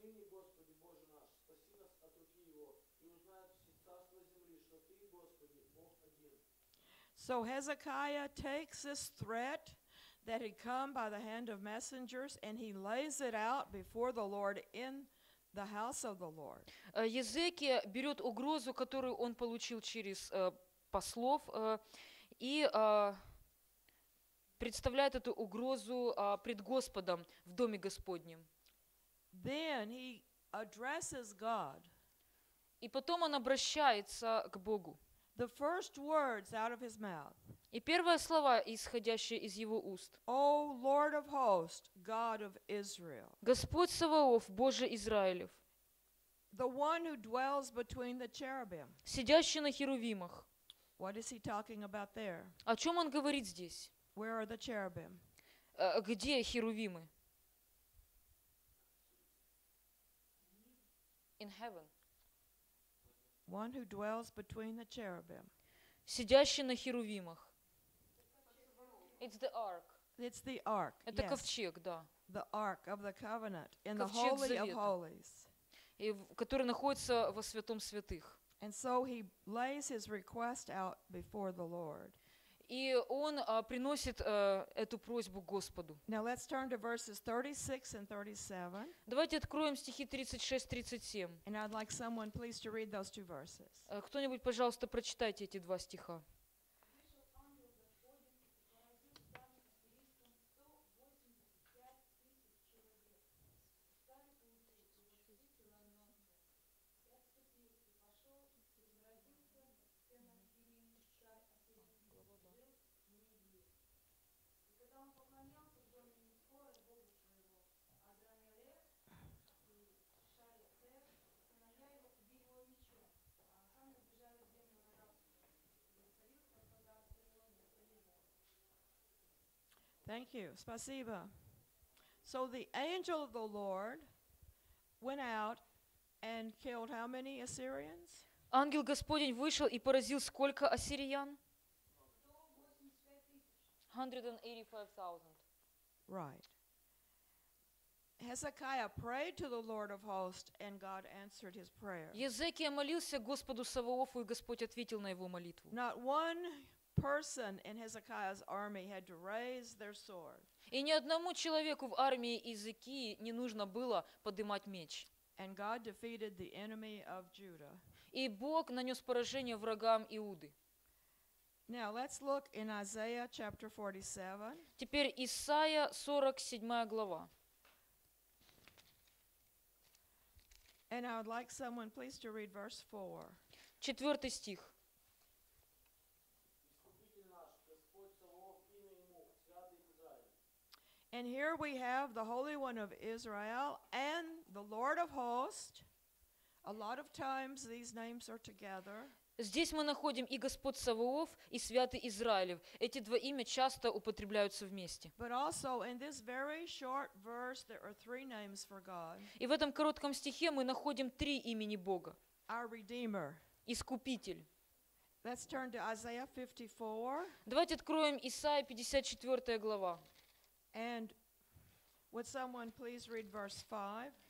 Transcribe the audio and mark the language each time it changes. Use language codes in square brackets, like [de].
[ru] Господи, Боже наш, спаси нас от руки его, и узнают все царства земли, что ты, Господи, Бог один. [en] So Hezekiah takes this threat that had come by the hand of messengers, and he lays it out before the Lord in the house of the Lord. [ru] Езекия берет угрозу, которую он получил через послов, и представляет эту угрозу пред Господом в доме Господнем. [en] Then he addresses God. [ru] И потом он обращается к Богу. [en] The first words out of his mouth. [ru] И первые слова, исходящие из его уст. [en] O Lord of hosts, God of Israel. [ru] Господь Саваоф, Божий Израилев. [en] The one who dwells between the cherubim. [ru] Сидящий на херувимах. [en] What is he talking about there? [ru] О чем он говорит здесь? [en] Where are the cherubim? [ru] Где херувимы? [en] In heaven. One who dwells between the cherubim. Сидящий на херувимах. It's the ark. It's the ark. [ru] Это [en] yes. [ru] Ковчег, да. [en] The ark of the covenant in the holy [ru] Завета. [en] Of holies. [ru] И который находится во святом святых. [en] And so he lays his request out before the Lord. [ru] И он приносит эту просьбу Господу. [en] Now let's turn to verses 36 and 37. [ru] Давайте откроем стихи 36-37. [en] And I'd like someone please to read those two verses. [ru] Кто-нибудь, пожалуйста, прочитайте эти два стиха. [en] Thank you. [ru] Спасибо. [en] So the angel of the Lord went out and killed how many Assyrians? [ru] Ангел Господень вышел и поразил сколько ассириян? [en] 185,000. Right. Hezekiah prayed to the Lord of hosts and God answered his prayer. [ru] Езекия молился Господу Саваофу, и Господь ответил на его молитву. [en] Not one person in Hezekiah's army had to raise their sword. [ru] И ни одному человеку в армии Иезекии не нужно было поднимать меч. [en] And God defeated the enemy of Judah. [ru] И Бог нанес поражение врагам Иуды. [en] Now let's look in Isaiah chapter 47. [ru] Теперь Исаия 47 глава. [en] And I would like someone please to read verse 4. [ru] Четвертый стих. [en] And here we have the Holy One of Israel and the Lord of Hosts. A lot of times these names are together. [ru] Здесь мы находим и Господь Саваоф, и Святый Израилев. Эти два имя часто употребляются вместе. [en] But also in this very short verse there are three names for God. [ru] И в этом коротком стихе мы находим три имени Бога. [en] Our Redeemer. [ru] Искупитель. [en] Let's turn to Isaiah 54. [ru] Давайте откроем Исаия 54 глава. [en] And would someone please read verse 5?